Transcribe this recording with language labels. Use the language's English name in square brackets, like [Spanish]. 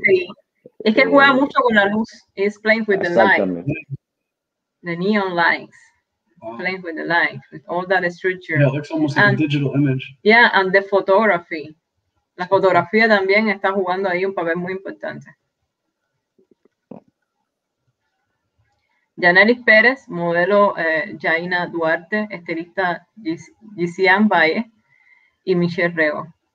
[Spanish] Sí, es que juega mucho con la luz. [English] It's playing with the light. The neon lights. Wow. Playing with the light, with all that structure. Yeah, it looks almost like a digital image. Yeah, and the photography. [Spanish] La fotografía también está jugando ahí un papel muy importante. Yanelis Pérez, modelo Jaina Duarte, estilista Gisian Valle y Michelle Rego.